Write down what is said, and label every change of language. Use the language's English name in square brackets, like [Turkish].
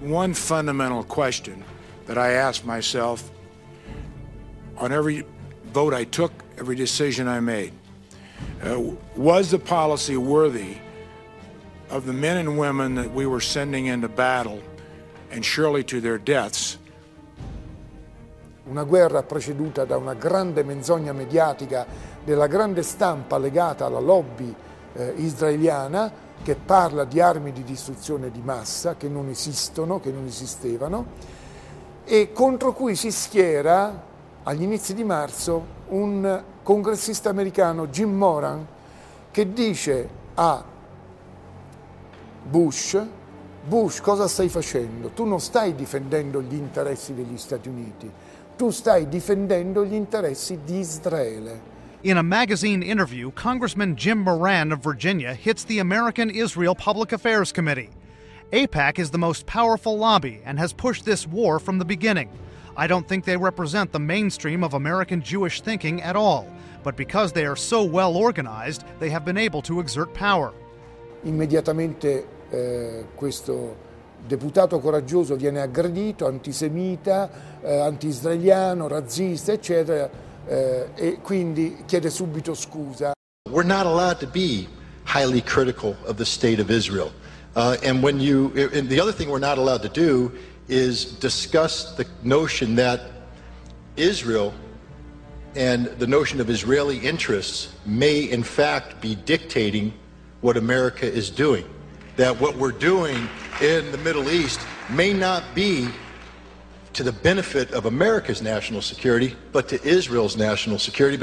[English] One fundamental question that I asked myself on every vote I took, every decision I made, was the policy worthy of the men and women that we were sending into battle and surely to their deaths? [Italian] Una guerra preceduta da una grande menzogna mediatica della grande stampa legata alla lobby israeliana che parla di armi di distruzione di massa che non esistono, che non esistevano, e contro cui si schiera agli inizi di marzo un congressista americano, Jim Moran, che dice a Bush, cosa stai facendo? Tu non stai difendendo gli interessi degli Stati Uniti, tu stai difendendo gli interessi di Israele. [English] In a magazine interview, Congressman Jim Moran of Virginia hits the American-Israel Public Affairs Committee. AIPAC is the most powerful lobby and has pushed this war from the beginning. I don't think they represent the mainstream of American Jewish thinking at all, but because they are so well organized, they have been able to exert power. [Italian] Immediatamente questo deputato coraggioso viene aggredito, antisemita, anti-israeliano, razzista, eccetera, e quindi chiede subito scusa. [English] We're not allowed to be highly critical of the state of Israel. And the other thing we're not allowed to do is discuss the notion that Israel and the notion of Israeli interests may in fact be dictating what America is doing, that what we're doing in the Middle East may not be to the benefit of America's national security, but to Israel's national security.